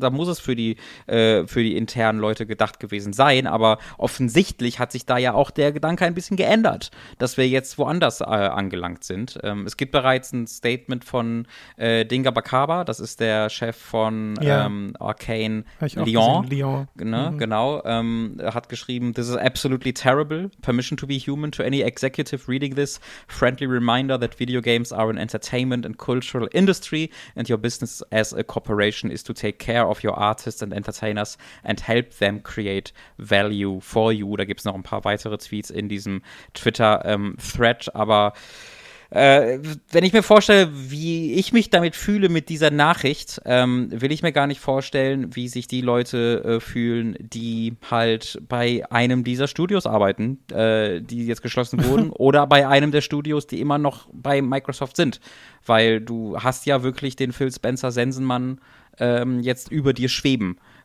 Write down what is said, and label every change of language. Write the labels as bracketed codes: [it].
[de] Da muss es für die internen Leute gedacht gewesen sein, aber offensichtlich hat sich da ja auch der Gedanke ein bisschen geändert, dass wir jetzt woanders angelangt sind. Es gibt bereits ein Statement von Dinga Bakaba, das ist der Chef von Arcane Lyon. Hat geschrieben, [en] this is absolutely terrible. Permission to be human to any executive reading this. Friendly reminder that video games are an entertainment and cultural industry and your business as a corporation is to take care of your artists and entertainers and help them create value for you. [de] Da gibt es noch ein paar weitere Tweets in diesem Twitter-Thread, aber wenn ich mir vorstelle, wie ich mich damit fühle mit dieser Nachricht, will ich mir gar nicht vorstellen, wie sich die Leute fühlen, die halt bei einem dieser Studios arbeiten, die jetzt geschlossen wurden, oder bei einem der Studios, die immer noch bei Microsoft sind, weil du hast ja wirklich den Phil Spencer Sensenmann jetzt über dir schweben.